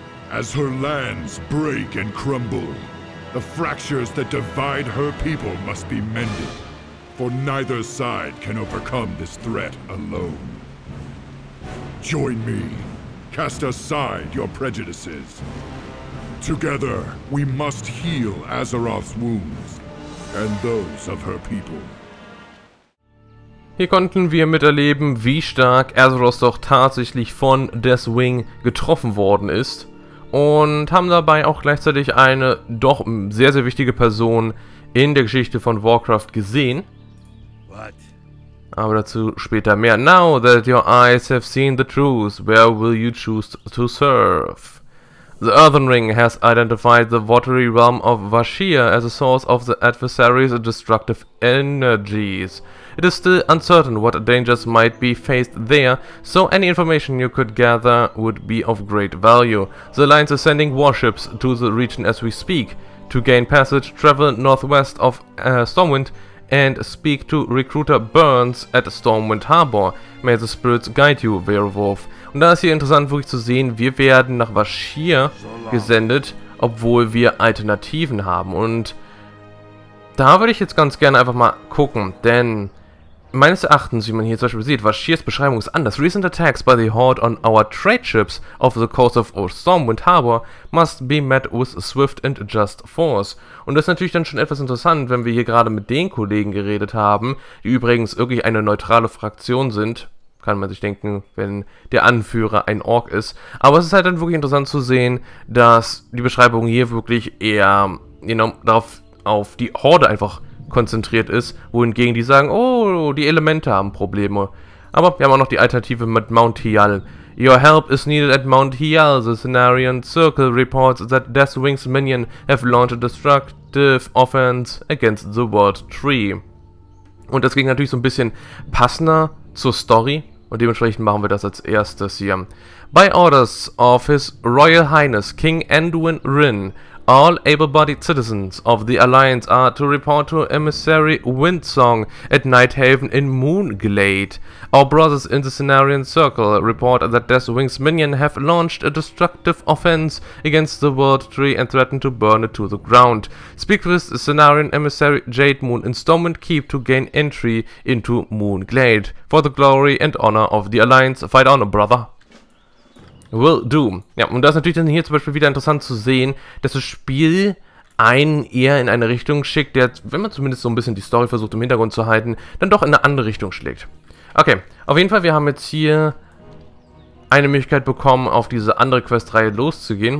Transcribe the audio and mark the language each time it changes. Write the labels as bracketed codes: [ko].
[en] As her lands break and crumble, the fractures that divide her people must be mended, for neither side can overcome this threat alone. Join me. Cast aside your prejudices. Together, we must heal Azeroth's wounds and those of her people. [de] Hier konnten wir miterleben, wie stark Azeroth doch tatsächlich von Deathwing getroffen worden ist und haben dabei auch gleichzeitig eine doch sehr, sehr wichtige Person in der Geschichte von Warcraft gesehen. [en] What? [de] Aber dazu später mehr. [en] Now that your eyes have seen the truth, where will you choose to serve? The Earthen Ring has identified the watery realm of Vashir as a source of the adversary's destructive energies. It is still uncertain what dangers might be faced there, so any information you could gather would be of great value. The Alliance is sending warships to the region as we speak. To gain passage, travel northwest of Stormwind and speak to Recruiter Burns at Stormwind Harbor. May the spirits guide you, Werewolf. [de] Und da ist hier interessant wirklich zu sehen, wir werden nach Vashir gesendet, obwohl wir Alternativen haben. Und da würde ich jetzt ganz gerne einfach mal gucken, denn Meines Erachtens, wie man hier zum Beispiel sieht, war Shears Beschreibung ist anders. [en] Recent attacks by the Horde on our trade ships off the coast of Stormwind Harbor must be met with swift and just force. [de] Und das ist natürlich dann schon etwas interessant, wenn wir hier gerade mit den Kollegen geredet haben, die übrigens wirklich eine neutrale Fraktion sind. Kann man sich denken, wenn der Anführer ein Ork ist. Aber es ist halt dann wirklich interessant zu sehen, dass die Beschreibung hier wirklich eher darauf auf die Horde einfach konzentriert ist, wohingegen die sagen, oh, die Elemente haben Probleme. Aber wir haben auch noch die Alternative mit Mount Hiyal. [en] Your help is needed at Mount Hiyal. The Cenarian Circle reports that Deathwing's minion have launched a destructive offense against the World Tree. [de] Und das ging natürlich so ein bisschen passender zur Story und dementsprechend machen wir das als erstes hier. [en] By orders of His Royal Highness King Anduin Rin, all able-bodied citizens of the Alliance are to report to Emissary Windsong at Nighthaven in Moonglade. Our brothers in the Cenarian Circle report that Deathwing's minion have launched a destructive offense against the World Tree and threaten to burn it to the ground. Speak with the Cenarian Emissary Jade Moon in Stormwind Keep to gain entry into Moonglade. For the glory and honor of the Alliance, fight on, brother. Will do. [de] Ja, und das ist natürlich dann hier zum Beispiel wieder interessant zu sehen, dass das Spiel einen eher in eine Richtung schickt, der, wenn man zumindest so ein bisschen die Story versucht im Hintergrund zu halten, dann doch in eine andere Richtung schlägt. Okay, auf jeden Fall, wir haben jetzt hier eine Möglichkeit bekommen, auf diese andere Questreihe loszugehen.